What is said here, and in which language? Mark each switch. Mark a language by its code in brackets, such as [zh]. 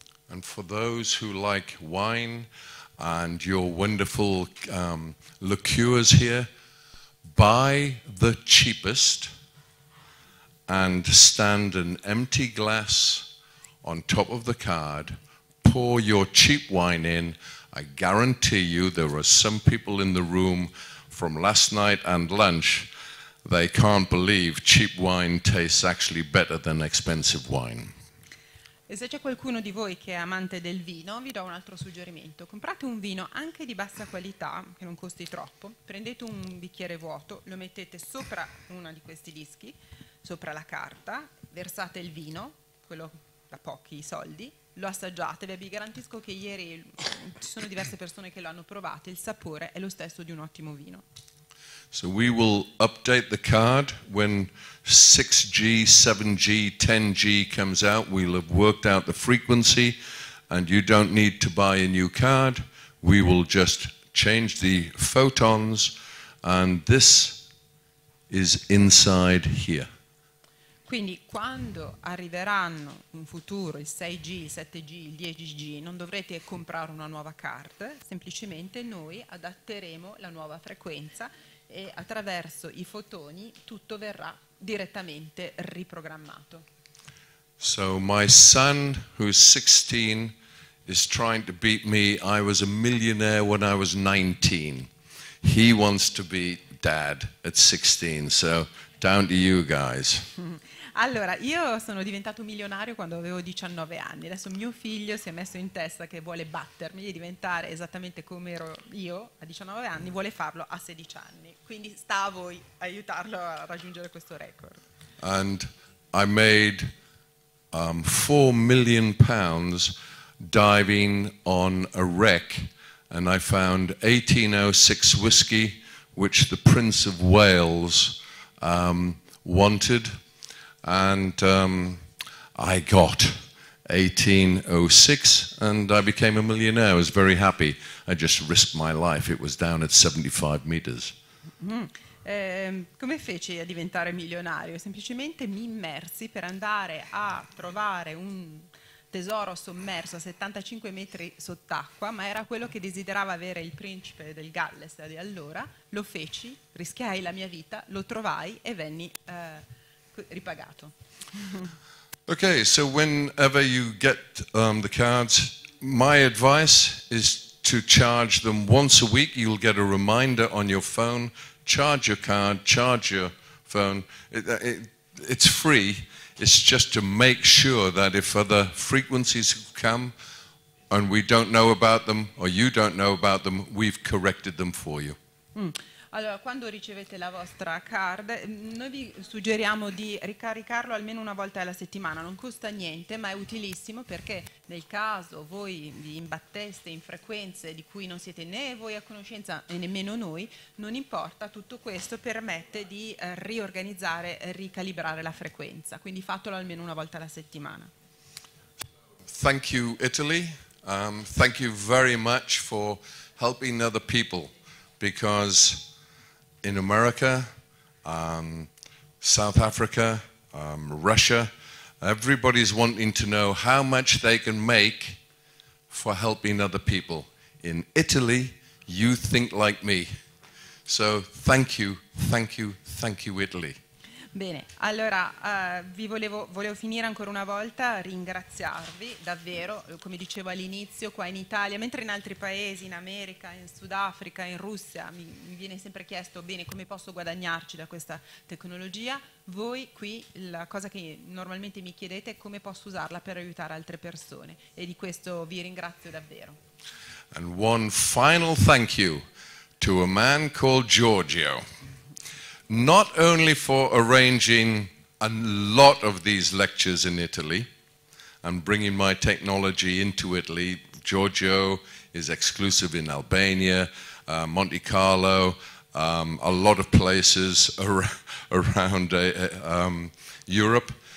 [en] And for those who like wine and your wonderful liqueurs here, buy the cheapest and stand an empty glass on top of the card, pour your cheap wine in. I guarantee you there are some people in the room from last night and lunch, they can't believe cheap wine tastes actually better than expensive wine. [it] E se c'è qualcuno di voi che è amante del vino, vi do un altro suggerimento. Comprate un vino anche di bassa qualità, che non costi troppo, prendete un bicchiere vuoto, lo mettete sopra uno di questi dischi, sopra la carta, versate il vino, quello da pochi soldi, lo assaggiate, vi garantisco che ieri ci sono diverse persone che lo hanno provato, il sapore è lo stesso di un ottimo vino. [en] So we will update the card when 6G, 7G, 10G comes out. We'll have worked out the frequency and you don't need to buy a new card. We will just change the photons and this is inside here. [it] Quindi quando arriveranno in futuro il 6G, il 7G, il 10G, non dovrete comprare una nuova card, semplicemente noi adatteremo la nuova frequenza e attraverso i fotoni tutto verrà direttamente riprogrammato. [en] So my son who's 16 is trying to beat me. I was a millionaire when I was 19. He wants to beat dad at 16. So down to you guys. [it] Allora, io sono diventato milionario quando avevo 19 anni. Adesso mio figlio si è messo in testa che vuole battermi e diventare esattamente come ero io a 19 anni, vuole farlo a 16 anni. Quindi sta a voi aiutarlo a raggiungere questo record. [en] And I made 4 million pounds diving on a wreck and I found 1806 whiskey which the Prince of Wales wanted. And I got 1806 and I became a millionaire. I was very happy. I just risked my life. It was down at 75 meters. [it] Come feci a diventare milionario? Semplicemente mi immersi per andare a trovare un tesoro sommerso a 75 metri sott'acqua, ma era quello che desiderava avere il principe del Galles di allora. Lo feci, rischiai la mia vita, lo trovai e venni ripagato. [en] Okay, so whenever you get the cards, my advice is to charge them once a week. You'll get a reminder on your phone. Charge your card, charge your phone. It's free. It's just to make sure that if other frequencies come and we don't know about them or you don't know about them, we've corrected them for you. [it] Allora, quando ricevete la vostra card, noi vi suggeriamo di ricaricarlo almeno una volta alla settimana, non costa niente, ma è utilissimo perché nel caso voi vi imbatteste in frequenze di cui non siete né voi a conoscenza e nemmeno noi, non importa, tutto questo permette di riorganizzare, ricalibrare la frequenza, quindi fatelo almeno una volta alla settimana. [en] Thank you, Italy. Thank you very much for helping other people, because in America, South Africa, Russia, everybody's wanting to know how much they can make for helping other people. In Italy, you think like me. So thank you, thank you, thank you, Italy. [it] Bene, allora volevo finire ancora una volta a ringraziarvi davvero, come dicevo all'inizio, qua in Italia, mentre in altri paesi, in America, in Sudafrica, in Russia, mi viene sempre chiesto bene come posso guadagnarci da questa tecnologia, voi qui la cosa che normalmente mi chiedete è come posso usarla per aiutare altre persone, e di questo vi ringrazio davvero. [en] And one final thank you to a man called Giorgio. Not only for arranging a lot of these lectures in Italy and bringing my technology into Italy. Giorgio is exclusive in Albania, Monte Carlo, a lot of places around Europe.